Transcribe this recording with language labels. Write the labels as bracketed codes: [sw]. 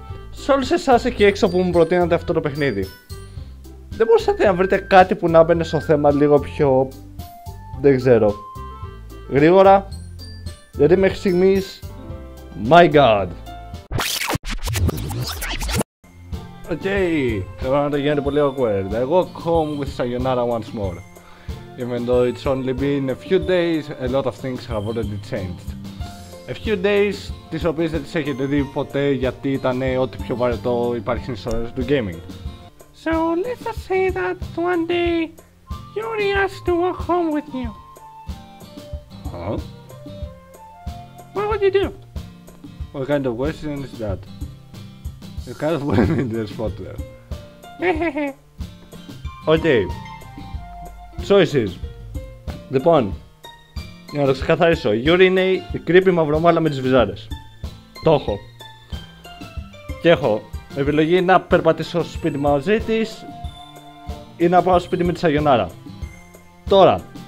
[el] Σε όλους εσάς εκεί έξω που μου προτείνατε αυτό το παιχνίδι, δεν μπορούσατε να βρείτε κάτι που να μπαίνει στο θέμα λίγο πιο... Δεν ξέρω. Γρήγορα. Γιατί μέχρι στιγμής... [en] My God! [el] Okay, τώρα να το γίνεται πολύ awkward. [en] I walk home with Sayonara once more. Even though it's only been a few days, a lot of things have already changed. A few days, [el] τις οποίες δεν τις έχετε δει ποτέ γιατί ήταν ό,τι πιο βαρετό υπάρχει στην ιστορία του gaming. [en] So, let's just say that one day, Yuri asked to walk home with you. Huh? What would you do? What kind of question is that? You kind of put me in the spot there. Okay. Choices. [el] Λοιπόν, για να το ξεκαθαρίσω, Yuri είναι η creepy μαυρομάλα με τις βυζάρες. Το έχω. Και έχω επιλογή να περπατήσω στο σπίτι μαζί της ή να πάω στο σπίτι με τη Σαγιονάρα. Τώρα,